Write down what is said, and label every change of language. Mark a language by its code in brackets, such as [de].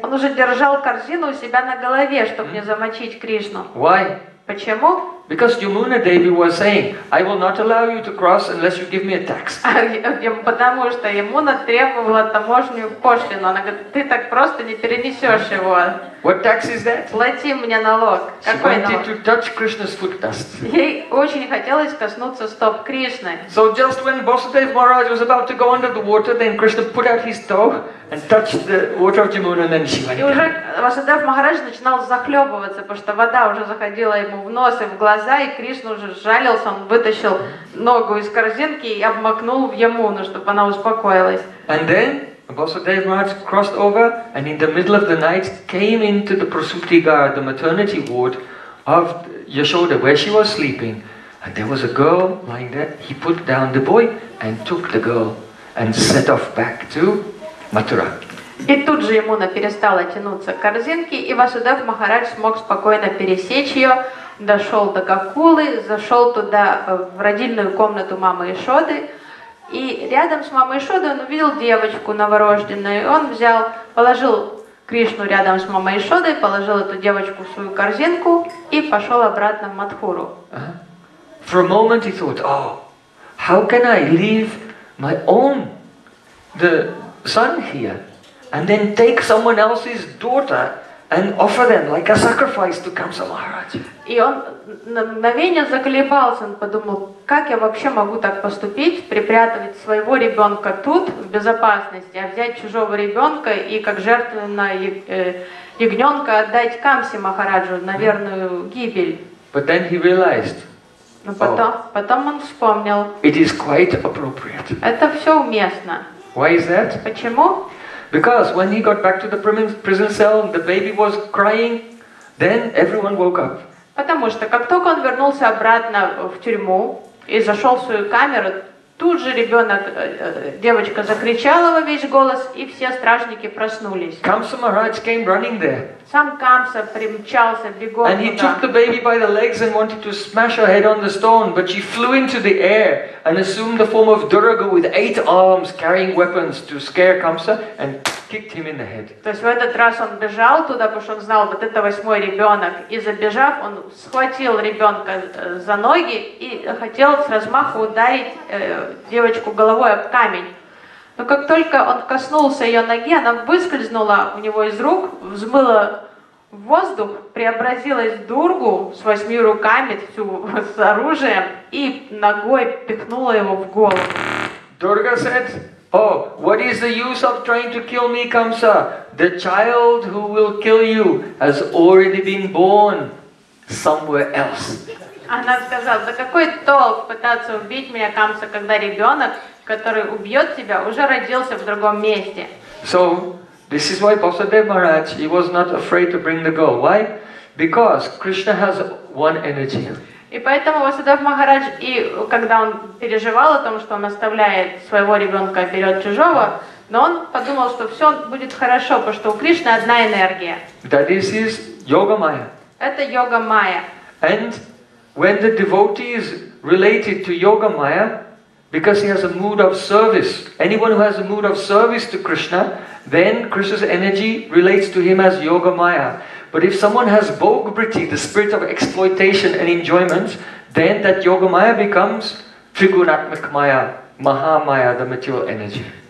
[ru] Он уже держал корзину у себя на голове, чтобы не замочить Кришну. [en] Why? [ru] Почему? [en] Because Yamuna Devi was saying, I will not allow you to cross unless you give me a tax. [ru] Потому что Yamuna требовала таможенную пошлину. Она говорит, ты так просто не перенесешь его. [en] What tax is that? [ru] Плати мне налог. Какой налог? [en] She wanted to touch Krishna's foot dust. [ru] Ей очень хотелось коснуться стоп Кришны. [en] So just when Vasudeva Maharaj was about to go under the water, then Krishna put out his toe and touched the water of Yamuna, and then she went. [ru] И уже Vasudeva Maharaj начинал захлебываться, потому что вода уже заходила ему в нос и в глаза, и Кришна уже сжалился, он вытащил ногу из корзинки и обмакнул в Ямуну, чтобы она успокоилась. [en] And then Vasudeva Maharaj crossed over, and in the middle of the night came into the Prasuti Gara, the maternity ward of Yashoda, where she was sleeping. And there was a girl lying there. He put down the boy and took the girl and set off back to Mathura. [ru] И тут же Ямуна перестала тянуться к корзинке, и Vasudeva Maharaj смог спокойно пересечь ее. Дошел до Гакулы, зашел туда, в родильную комнату мамы Ишоды. И рядом с мамой Ишодой он увидел девочку новорожденную. И он взял, положил Кришну рядом с мамой Ишодой, положил эту девочку в свою корзинку и пошел обратно в Матхуру. [en] For a moment he thought, oh, how can I leave my own, the son here, and then take someone else's daughter and offer them like a sacrifice to Kamsa Maharaj. [ru] И он на мгновение заколебался, он подумал, как я вообще могу так поступить, припрятывать своего ребенка тут, в безопасности, а взять чужого ребенка и как жертвенное ягненка отдать Камсе Махараджу на верную гибель. [en] But then he realized. [ru] Но потом он вспомнил. [en] It is quite appropriate. [ru] Это все уместно. [en] Why is that? [ru] Почему? [en] Because when he got back to the prison cell, the baby was crying. Then everyone woke up. [ru] Потому что как только он вернулся обратно в тюрьму и зашел в свою камеру, тут же ребенок, девочка закричала во весь голос, и все стражники проснулись. [en] Kamsa Maharaj came running there. [ru] Сам Камса примчался бегом туда. [en] And he took the baby by the legs and wanted to smash her head on the stone, but she flew into the air and assumed the form of Durga with eight arms carrying weapons to scare Kamsa and kicked him in the head. [ru] То есть в этот раз он бежал туда, потому что он знал, вот это восьмой ребенок. И забежав, он схватил ребенка за ноги и хотел с размаху ударить девочку головой об камень. Но как только он коснулся ее ноги, она выскользнула у него из рук, взмыла в воздух, преобразилась в Дургу с восьми руками, всю с оружием, и ногой пихнула его в голову. [en] Дурга said, oh, what is the use of trying to kill me, Kamsa? The child who will kill you has already been born somewhere else. [ru] Она сказала, да какой толк пытаться убить меня, Камса, когда ребенок, который убьет тебя, уже родился в другом месте. [en] So, this is why Vasudeva Maharaj, he was not afraid to bring the girl. Why? Because Krishna has one energy. [ru] И поэтому Vasudeva Maharaj, и когда он переживал о том, что он оставляет своего ребенка, берет чужого, но он подумал, что все будет хорошо, потому что у Кришны одна энергия. [en] That is his yoga maya. [ru] Это йога майя. [en] And when the devotee is related to yoga maya, because he has a mood of service, anyone who has a mood of service to Krishna, then Krishna's energy relates to him as yoga maya. But if someone has bhogvritti, the spirit of exploitation and enjoyment, then that yoga maya becomes trigunatmak maya, maha maya, the material energy.